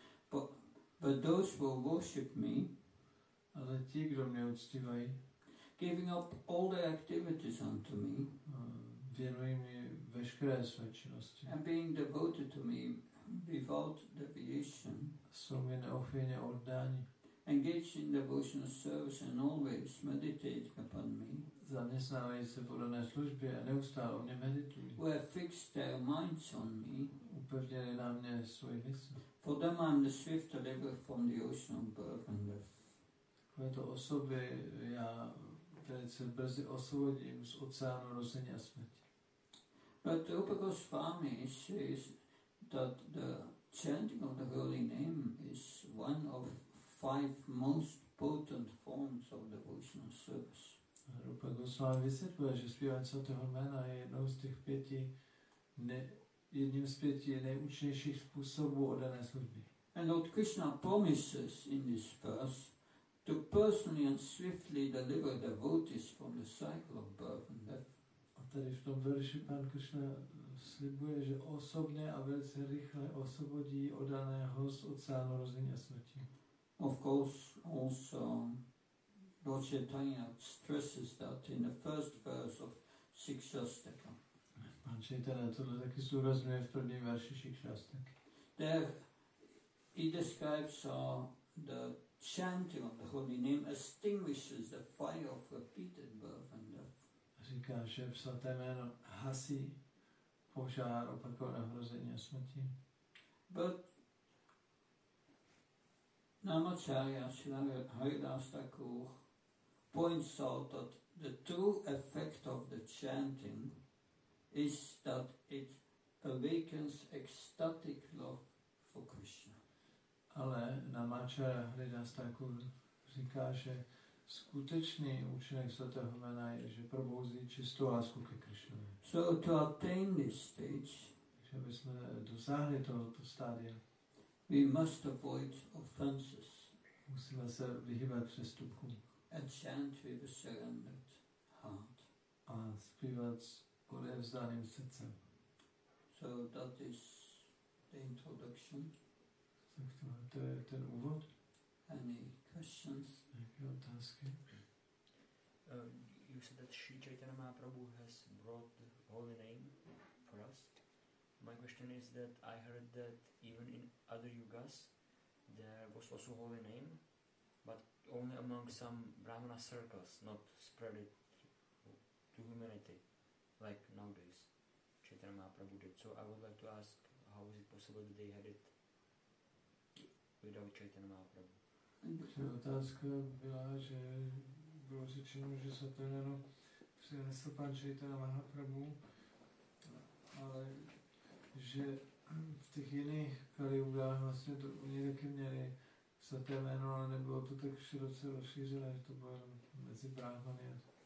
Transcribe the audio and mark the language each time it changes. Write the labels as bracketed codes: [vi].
[en] But those will worship me, [cs] ale ti, kdo mě uctívají, [en] giving up all their activities unto me, [cs] věnují mi veškeré své činnosti, [en] and being devoted to me without deviation, [cs] jsou mi neochvějně oddáni, [en] engaged in devotional service and always meditating upon me, [cs] zaměstnávají se v podané službě a neustále o mě meditují, [en] who have fixed their minds on me, [cs] upevněli na mě svoji mysl. [en] For them I'm the swift deliverer from the ocean of birth and death. [cs] Takovéto osoby já velice brzy osvobodím z oceánu rození a smrti. [en] But Rupa Goswami says that the chanting of the holy name is one of five most potent forms of devotional service. [cs] Rupa Goswami vysvětluje, že zpívání svatého jména je jednou z těch pěti jedním z pěti nejúčinnějších způsobů oddané služby. [en] And Lord Krishna promises in this verse to personally and swiftly deliver devotees from the cycle of birth and death. [cs] A tady v tom verši pán Krishna slibuje, že osobně a velice rychle osvobodí oddaného z oceánu rození a smrti. [en] Of course, also Lord Chaitanya stresses that in the first verse of Sikshastaka. [cs] Pán Chaitanya tohle taky zdůrazňuje v prvním verši Sikshastaky. [en] There he describes the chanting of the holy name extinguishes the fire of repeated birth and death. [cs] Říká, že v svaté jméno hasí požár opakovaného rození a smrti. [en] But Namacharya Srila Haridas Thakur points out that the true effect of the chanting is that it awakens ecstatic love for Krishna. [cs] Ale Namacharya Haridas Thakur říká, že skutečný účinek svatého jména je, že probouzí čistou lásku ke Krišnovi. [en] So to attain this stage, [cs] takže aby jsme dosáhli tohoto stádia, [en] we must avoid offenses. [cs] Musíme se vyhýbat přestupku. [en] And chant with a surrendered heart. [cs] A zpívat s odevzdaným srdcem. [en] So that is the introduction. [cs] Tak to je ten úvod. [en] Any questions? [cs] Jaké otázky? [en] You said that Sri Chaitanya Mahaprabhu has brought the holy name for us. My question is that I heard that even in other yugas there was also holy name, but only among some Brahmana circles, not spread it to humanity, like nowadays Chaitanya Mahaprabhu did. So I would like to ask, how is it possible that they had it without Chaitanya Mahaprabhu? [cs] Otázka byla, že bylo řečeno, že se to jméno přinesl pan Chaitanya Mahaprabhu, ale že v těch jiných kaliugách vlastně to oni taky měli svaté jméno, ale nebylo to tak široce rozšířené, že to bylo mezi bráhmany.